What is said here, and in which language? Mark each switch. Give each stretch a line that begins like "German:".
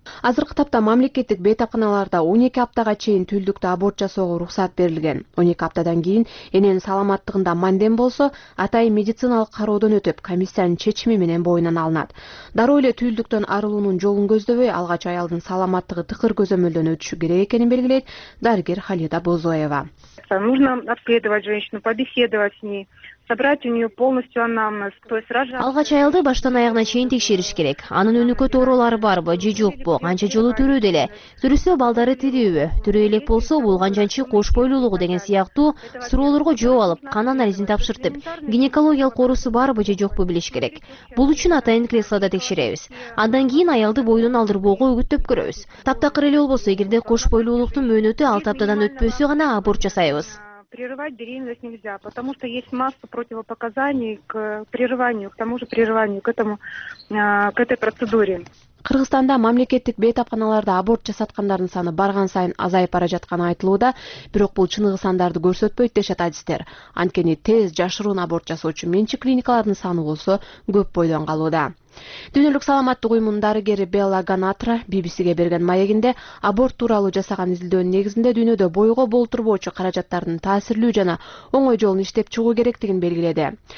Kyrgyz: Азыркы тапта мамлекеттик бетакыналарда 12 аптага чейин түлдүктө аборт жасоого уруксат берилген. 12 аптадан кийин эненин саламаттыгында мандем болсо, атайын медициналык кароодон өтүп, комиссиянын чечими менен боюнан алынат. Дароо эле түлдүктөн арылуунун жолун көздөбөй, алгач аялдын саламаттыгы тыкыр көзөмөлдөн өтүшү керек экенин белгилейт дарыгер Халида Бозоева.
Russian: Нужно обследовать женщину, побеседовать с ней. Собрать у нее полностью анамнез, то есть рожать.
Kyrgyz: Алгач аялды баштан аягына чейин текшериш керек. Анын өнүккө оорулары барбы, же жокпу, канча жолу түрү деле. Түрүсө балдары тирүүбү, түрү элек болсо бул канчанчы кош бойлуулугу деген сыяктуу суроолорго жооп алып, кан анализин тапшыртып, гинекологиялык оорусу барбы же жокпу билиш керек. Бул үчүн атайын креслода текшеребиз. Андан кийин аялды бойдон алдырбоого үгүттөп көрөбүз. Таптакыр эле болбосо, эгерде кош бойлуулуктун мөөнөтү 6 аптадан өтпөсө гана аборт жасайбыз.
Russian: Прерывать беременность нельзя, потому что есть масса противопоказаний к прерыванию, к тому же прерыванию, к этой процедуре.
Kyrgyz: Кыргызстанда мамлекеттик бетапканаларда аборт жасаткандардын саны барган сайын азайып бара жатканы айтылууда, бирок бул чыныгы сандарды көрсөтпөйт дешет адистер. Анткени тез жашыруун аборт жасоочу менчик клиникалардын саны болсо көп бойдон калууда. Дүйнөлүк саламаттык уюмунун дарыгери Белла Ганатра BBC'ге берген маегинде аборт тууралуу жасаган изилдөөнүн негизинде дүйнөдө бойго болтурбоочу каражаттардын таасирлүү жана оңой жолун иштеп чыгуу керектигин белгиледи.